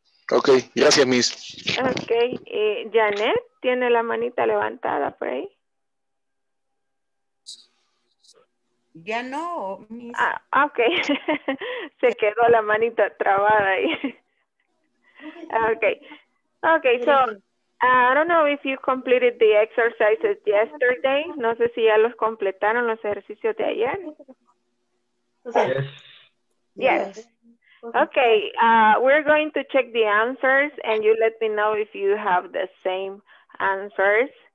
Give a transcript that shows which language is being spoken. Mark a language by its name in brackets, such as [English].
[Spanish] Ok, gracias, Miss. Ok, Janet, ¿tiene la manita levantada por ahí? Ya no, Miss. Ah, ok, se quedó la manita trabada ahí. [English] Ok, ok, so... I don't know if you completed the exercises yesterday. [Spanish] No sé si ya los completaron los ejercicios de ayer. [English] Yes. Yes. Okay, we're going to check the answers and you let me know if you have the same answers.